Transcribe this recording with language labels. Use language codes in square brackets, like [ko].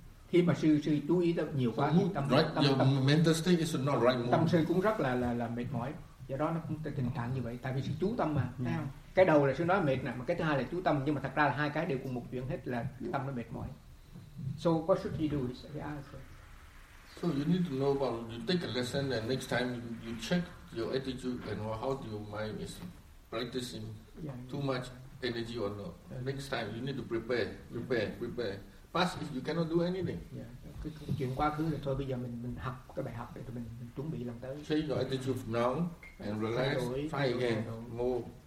[vi] Khi mà sư chú ý tâm nhiều quá, tâm [en] mental state is not right. [vi] Tâm sư cũng rất là mệt mỏi. Do đó nó cũng tình trạng như vậy, tại vì sư chú tâm mà. Cái đầu là sư nói mệt nè, mà cái thứ hai là chú tâm, nhưng mà thật ra là hai cái đều cùng một chuyện hết, là tâm nó mệt mỏi. [en] So what should he do? So you need to know about, you take a lesson and next time you check your attitude and how your mind is practicing too much energy or not. Next time you need to prepare. Past if you cannot do anything. [vi] Cái chuyện quá khứ là thôi, bây giờ mình học cái bài học để mình chuẩn bị lần tới. [en] Change your attitude from now and relax, try again, move.